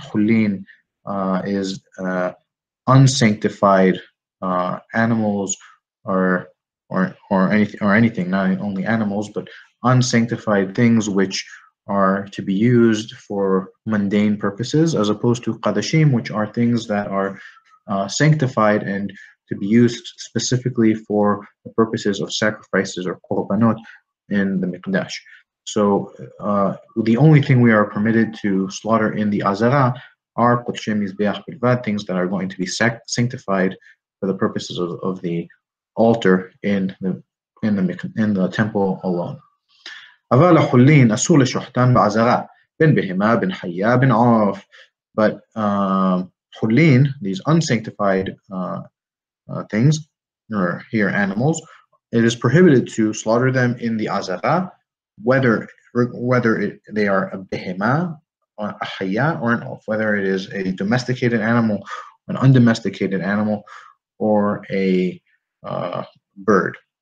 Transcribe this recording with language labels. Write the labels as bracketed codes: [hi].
[en] Hulin is unsanctified animals or anything, not only animals, but unsanctified things which are to be used for mundane purposes, as opposed to qadashim, which are things that are sanctified and to be used specifically for the purposes of sacrifices or korbanot in the mikdash. So the only thing we are permitted to slaughter in the azara are [he] qadashim mizbeach bilvad, [en] things that are going to be sanctified for the purposes of the altar in the temple alone. [he] אבל החולין אסור לשוחטן בעזרה, בין בהמה, בין חיה, בין עוף. [en] But חולין, these unsanctified things, or here animals, it is prohibited to slaughter them in the azara, whether they are a behema, or a haya, or an oof, whether it is a domesticated animal, an undomesticated animal, or a bird.